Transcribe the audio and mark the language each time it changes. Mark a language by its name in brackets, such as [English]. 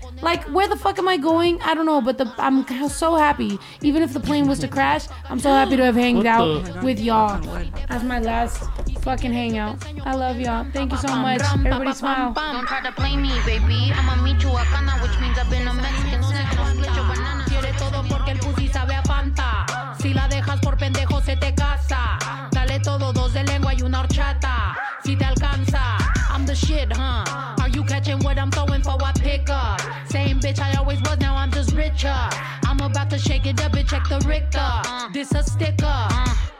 [English] Like, where the fuck am I going? I don't know, but I'm so happy. Even if the plane was to crash, I'm so happy to have hanged out with y'all. That's my last fucking hangout. I love y'all. Thank you so much. Everybody smile. Don't try to play me, baby. I'm a Michu Akana, which means I've been a Mexican. [Spanish] Porque el pussy sabe a Fanta. Si la dejas por pendejo se te casa. Dale todo, dos de lengua y una horchata. Si te alcanza. [English] I'm the shit, huh? Are you catching what I'm throwing for? I pick up. Same bitch I always was, now I'm just richer. I'm about to shake it up and check the Richter. This a sticker.